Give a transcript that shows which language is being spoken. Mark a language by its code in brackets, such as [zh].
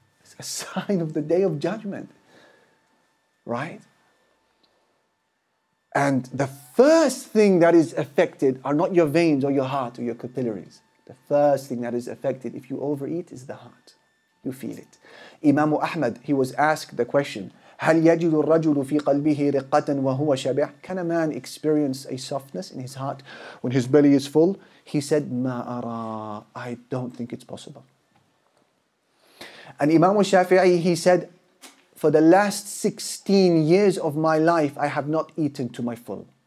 [en] It's a sign of the Day of Judgment. Right? And the first thing that is affected are not your veins or your heart or your capillaries. The first thing that is affected if you overeat is the heart. You feel it. Imam Ahmad, he was asked the question, [ar] هل يجد الرجل في قلبه رقة وهو شبع? [en] Can a man experience a softness in his heart when his belly is full? He said, [ar] ما أرى. [en] I don't think it's possible. And Imam al-Shafi'i, he said, for the last 16 years of my life, I have not eaten to my full.